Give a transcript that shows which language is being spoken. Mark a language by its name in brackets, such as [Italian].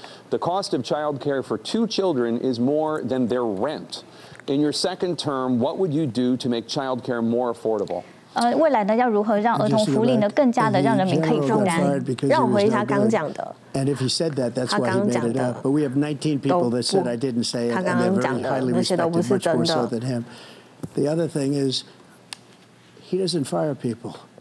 [English] The cost of child care for two children is more than their rent. In your second term, what would you do to make child care more affordable? [Chinese] 未来呢，要如何让儿童福利呢更加的让人民可以负担？让我回忆他刚讲的。 [English] And if he said that, that's why he made it up. But we have 19 people that said I didn't say it, and they're very highly respected, much more so than him. The other thing is, he doesn't fire people.